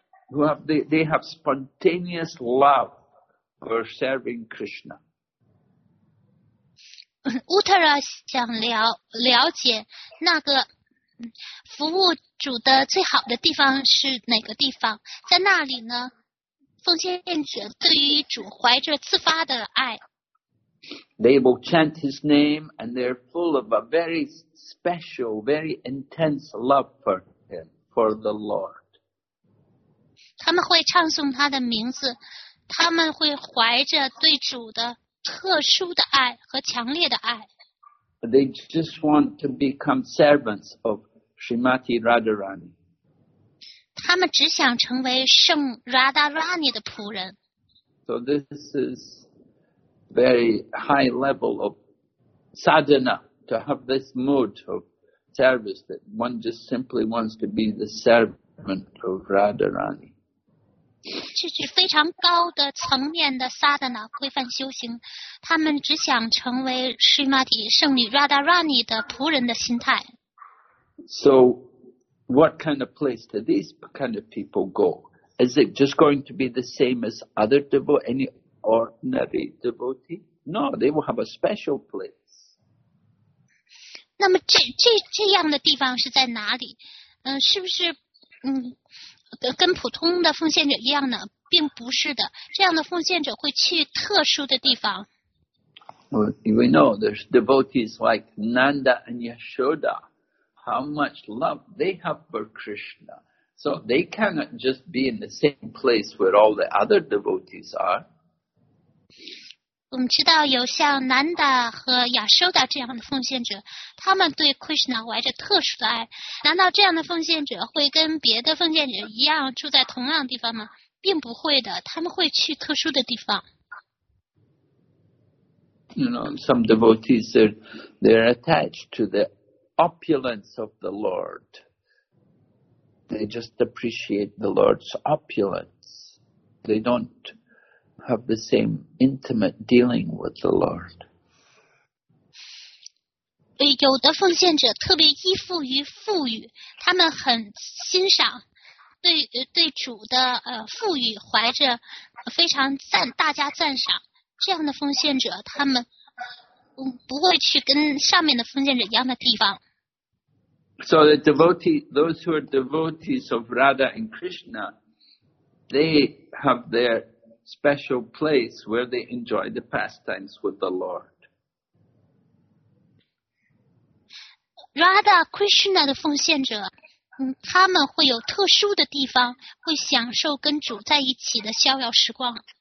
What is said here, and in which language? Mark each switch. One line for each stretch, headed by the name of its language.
English: Who have spontaneous love for serving Krishna.
Chinese: Uttara 想了解那个服务主的最好的地方是哪个地方，在那里呢奉献者对于主怀着自发的爱。
English: They will chant his name and they're full of a very special, very intense love for him, for the Lord.
Chinese: 他们会唱诵他的名字，他们会怀着对主的特殊的爱和强烈的爱。
English: They just want to become servants of Srimati Radharani.
Chinese: 他们只想成为圣 Radharani 的仆人。
English: So this is very high level of sadhana to have this mood of service that one just simply wants to be the servant of Radharani.
Chinese: 这是非常高的层面的 sadhana 规范修行，他们只想成为 Srimati 圣女 Radharani 的仆人的心态。
English: So, what kind of place do these kind of people go? Is it just going to be the same as other devotees, any ordinary devotee? No, they will have a special place.
Chinese: 那么这样的地方是在哪里？是不是跟普通的奉献者一样呢？并不是的，这样的奉献者会去特殊的地方。
English: Well, we know there's devotees like Nanda and Yashoda. How much love they have for Krishna. So they cannot just be in the same place where all the other devotees are.
Chinese: 我们知道有像南达和亚修达这样的奉献者，他们对 Krishna 怀着特殊的爱。难道这样的奉献者会跟别的奉献者一样住在同样的地方吗？并不会的，他们会去特殊的地方。
English: You know, some devotees, they're attached to the opulence of the Lord. They just appreciate the Lord's opulence. They don't have the same intimate dealing with the Lord.
Chinese: 有的奉献者特别依附于富裕，他们很欣赏对主的富裕，怀着非常大家赞赏。这样的奉献者，他们不会去跟上面的奉献者一样的地方。
English: So the devotee, those who are devotees of Radha and Krishna, they have their special place where they enjoy the pastimes with the Lord.
Chinese: Radha Krishna 的奉献者，他们会有特殊的地方，会享受跟主在一起的逍遥时光。